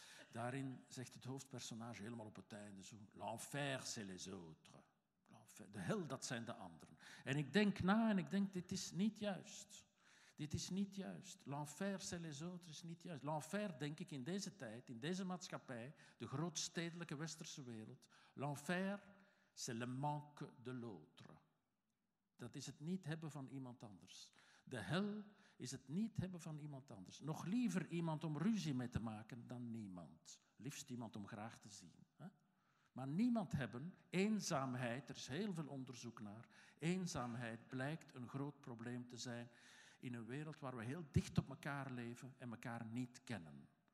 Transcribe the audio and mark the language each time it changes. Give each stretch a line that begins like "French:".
Dutch: Daarin zegt het hoofdpersonage helemaal op het einde zo...
French: L'enfer, c'est les autres.
Dutch: L'enfer, de hel, dat zijn de anderen. En ik denk na en ik denk, dit is niet juist. Dit is niet juist.
French: L'enfer, c'est les autres,
Dutch: is niet juist. L'enfer, denk ik, in deze tijd, in deze maatschappij, de grootstedelijke westerse wereld...
French: L'enfer, c'est le manque de l'autre.
Dutch: Dat is het niet hebben van iemand anders. De hel... is het niet hebben van iemand anders. Nog liever iemand om ruzie mee te maken dan niemand. Liefst iemand om graag te zien. Hè? Maar niemand hebben, eenzaamheid, er is heel veel onderzoek naar, eenzaamheid blijkt een groot probleem te zijn in een wereld waar we heel dicht op elkaar leven en elkaar niet kennen.